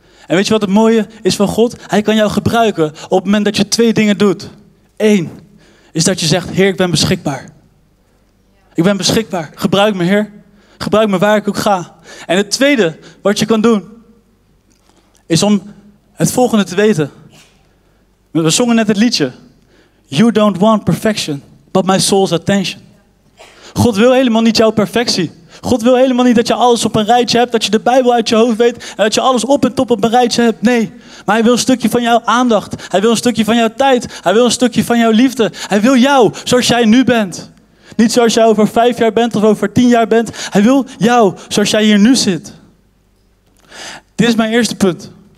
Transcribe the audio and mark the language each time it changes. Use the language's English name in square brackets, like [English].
[Dutch] En weet je wat het mooie is van God? Hij kan jou gebruiken op het moment dat je twee dingen doet. 1 is dat je zegt, Heer, ik ben beschikbaar. Ik ben beschikbaar. Gebruik me, Heer. Gebruik me waar ik ook ga. En het tweede wat je kan doen, is om het volgende te weten. We zongen net het liedje. [English] You don't want perfection, but my soul's attention. [Dutch] God wil helemaal niet jouw perfectie. God wil helemaal niet dat je alles op een rijtje hebt, dat je de Bijbel uit je hoofd weet en dat je alles op en top op een rijtje hebt. Nee, maar hij wil een stukje van jouw aandacht. Hij wil een stukje van jouw tijd. Hij wil een stukje van jouw liefde. Hij wil jou zoals jij nu bent. Niet zoals jij over 5 jaar bent of over 10 jaar bent. Hij wil jou zoals jij hier nu zit. Dit is mijn eerste punt.